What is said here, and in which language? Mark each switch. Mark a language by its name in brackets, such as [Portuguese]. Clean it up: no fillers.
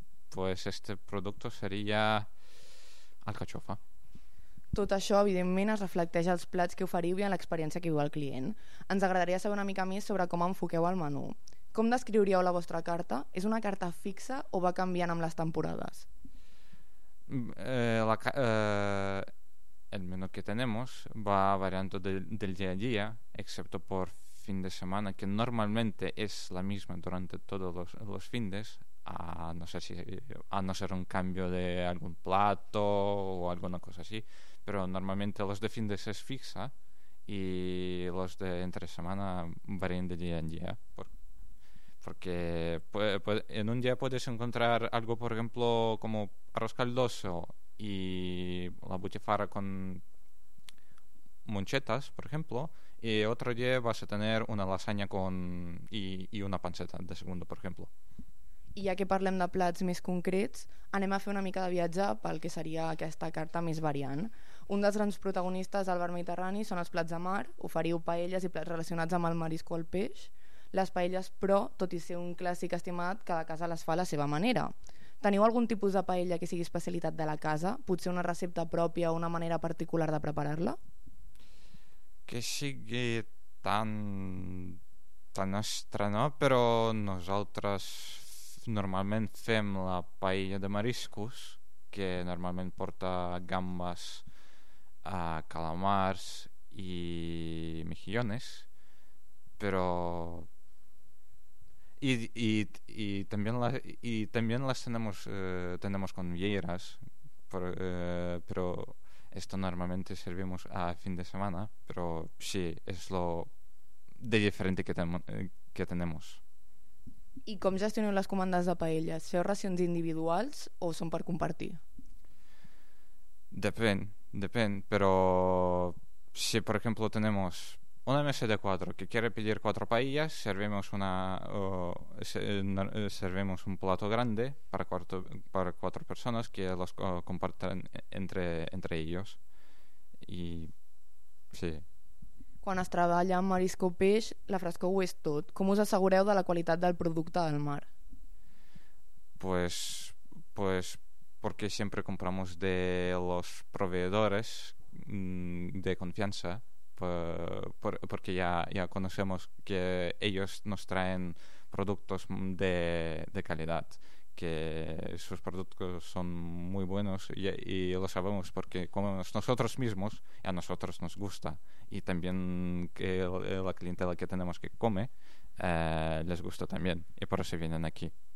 [Spanish] Pues este producto seria alcachofa. [Catalan] Tot això, evidentment, es reflecteix als plats que oferiu i en l'experiència que viu el client. Ens agradaria saber una mica més sobre com enfoqueu el menú. Com descriuríeu la vostra carta? És una carta fixa o va canviant amb les temporades? [Spanish] El menú que tenemos va variando del día a día, excepto por fin de semana, que normalmente es la misma durante todos los fines, a no ser un cambio de algún plato o alguna cosa así, pero normalmente los de fines es fixa y los de entre semana varían de día en día, porque en un día puedes encontrar algo, por ejemplo, como arroz caldoso y la butifarra con monchetas, por ejemplo, y otro día vas a tener una lasaña y una panceta de segundo, por ejemplo. [Catalan] I ja que parlem de plats més concrets, anem a fer una mica de viatge pel que seria aquesta carta més variant. Un dels grans protagonistes del Bar Mediterrani són els plats de mar. Oferiu paelles i plats relacionats amb el marisc o el peix. Les paelles, però, tot i ser un clàssic estimat, cada casa les fa a la seva manera. Teniu algun tipus de paella que sigui especialitat de la casa? Potser una recepta pròpia o una manera particular de preparar-la? Que sigui tan nostra, no? Però nosaltres normalment fem la paella de mariscos, que normalment porta gambes, calamars i mejillones, però i també [Spanish] les tenemos con vieiras, [Catalan] però [Spanish] esto normalmente servimos a fin de semana, pero sí, es lo de diferente que tenemos. [Catalan] I com gestioneu les comandes de paelles? Feu racions individuals o són per compartir? Depèn, però si per exemple [Spanish] tenemos una mesa de 4 que quiere pedir 4 paellas, servimos un plato grande para 4 personas que los comparten entre ellos. Y sí. [Catalan] Quan es treballa amb marisc o peix, la frescor ho és tot. Com us assegureu de la qualitat del producte del mar? [Spanish] Pues porque siempre compramos de los proveedores de confianza. Porque ya conocemos que ellos nos traen productos de calidad, que sus productos son muy buenos y lo sabemos porque comemos nosotros mismos y a nosotros nos gusta, y también que la clientela que tenemos que come les gusta también, y por eso vienen aquí.